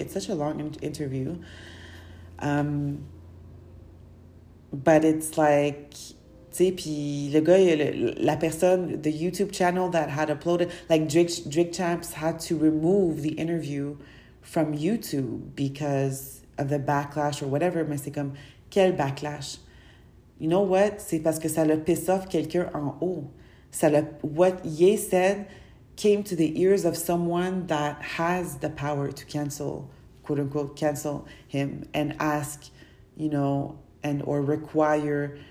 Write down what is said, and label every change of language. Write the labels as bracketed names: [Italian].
[English] It's such a long interview. But it's like... [French] Tu sais, puis le gars, la personne, [English] the YouTube channel that had uploaded, like, Drake Champs had to remove the interview from YouTube because of the backlash or whatever, [French] mais c'est comme, quel [English] backlash? You know what? [French] C'est parce que ça le piss off quelqu'un en haut. Ça le, [English] what Ye said came to the ears of someone that has the power to cancel, quote-unquote, cancel him and ask, you know, and or require...